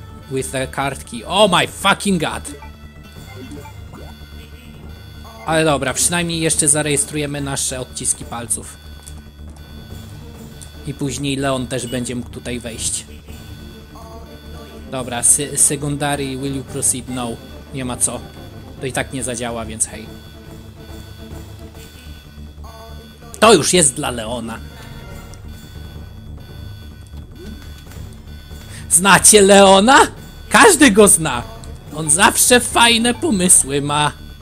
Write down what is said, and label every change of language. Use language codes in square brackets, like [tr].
[en] With the kartki. Oh my fucking god! [pl] Ale dobra, przynajmniej jeszcze zarejestrujemy nasze odciski palców. I później Leon też będzie mógł tutaj wejść. [en] Dobra, secondary, will you proceed? [pl] No, nie ma co. To i tak nie zadziała, więc hej. To już jest dla Leona. Znacie Leona? Każdy go zna. On zawsze fajne pomysły ma.